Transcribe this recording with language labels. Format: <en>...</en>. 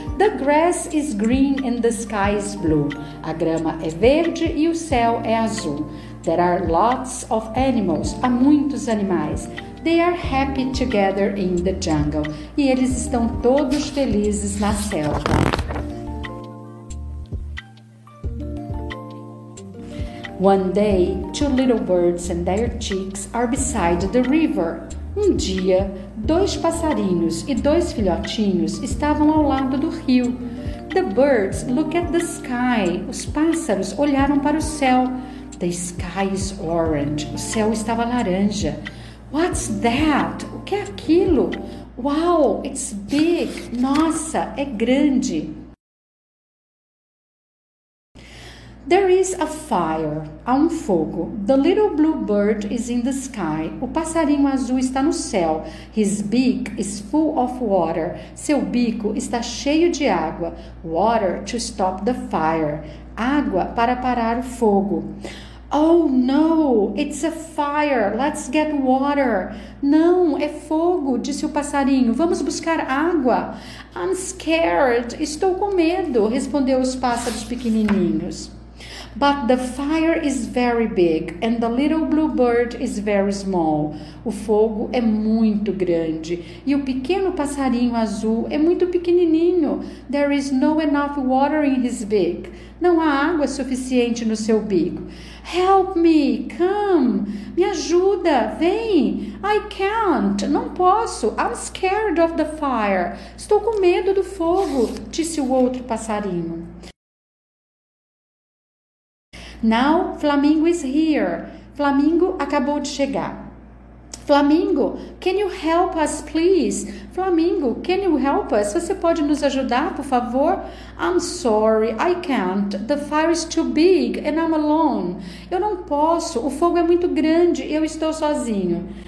<en>The grass is green and the sky is blue.</en> <pt>A grama é verde e o céu é azul.</pt> <en>There are lots of animals.</en> <pt>Há muitos animais.</pt> <en>They are happy together in the jungle.</en> <pt>E eles estão todos felizes na selva.</pt> <en>One day, two little birds and their chicks are beside the river.</en> <pt>Um dia, dois passarinhos e dois filhotinhos estavam ao lado do rio.</pt> <en>The birds look at the sky.</en> <pt>Os pássaros olharam para o céu.</pt> <en>The sky is orange.</en> <pt>O céu estava laranja.</pt> <en>What's that?</en> <pt>O que é aquilo?</pt> <en>Wow, it's big.</en> <pt>Nossa, é grande.</pt> <en>There is a fire.</en> <pt>Há um fogo.</pt> <en>The little blue bird is in the sky.</en> <pt>O passarinho azul está no céu.</pt> <en>His beak is full of water.</en> <pt>Seu bico está cheio de água.</pt> <en>Water to stop the fire.</en> <pt>Água para parar o fogo.</pt> <en>Oh no, it's a fire. Let's get water.</en> <pt>Não, é fogo, disse o passarinho. Vamos buscar água.</pt> <en>I'm scared.</en> <pt>Estou com medo, respondeu os pássaros pequenininhos.</pt> <en>But the fire is very big and the little blue bird is very small.</en> <pt>O fogo é muito grande e o pequeno passarinho azul é muito pequenininho.</pt> <en>There is no enough water in his beak.</en> <pt>Não há água suficiente no seu bico.</pt> <en>Help me, come,</en> <pt>me ajuda, vem.</pt> <en>I can't,</en> <pt>não posso,</pt> <en>I'm scared of the fire.</en> <pt>Estou com medo do fogo, disse o outro passarinho.</pt> <en>Now, Flamingo is here.</en> <pt>Flamingo acabou de chegar.</pt> <en>Flamingo, can you help us, please? Flamingo, can you help us?</en> <pt>Você pode nos ajudar, por favor?</pt> <en>I'm sorry, I can't. The fire is too big and I'm alone.</en> <pt>Eu não posso. O fogo é muito grande e eu estou sozinho.</pt>